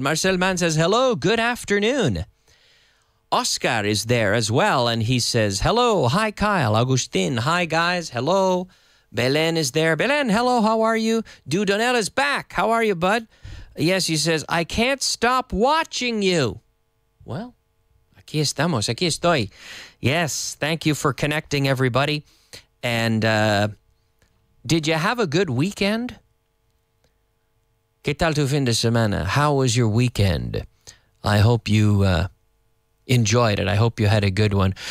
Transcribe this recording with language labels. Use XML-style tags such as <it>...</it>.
<en>Marcel Mann says, hello, good afternoon. Oscar is there as well, and he says, hello, hi, Kyle. Agustin, hi, guys, hello. Belen is there. Belen, hello, how are you? Dudonel is back. How are you, bud? Yes, he says, I can't stop watching you.</en> <es>Well, aquí estamos, aquí estoy.</es> <en>Yes, thank you for connecting, everybody. And, did you have a good weekend?</en> <es>¿Qué tal tu fin de semana?</es> <en>How was your weekend? I hope you enjoyed it. I hope you had a good one.</en>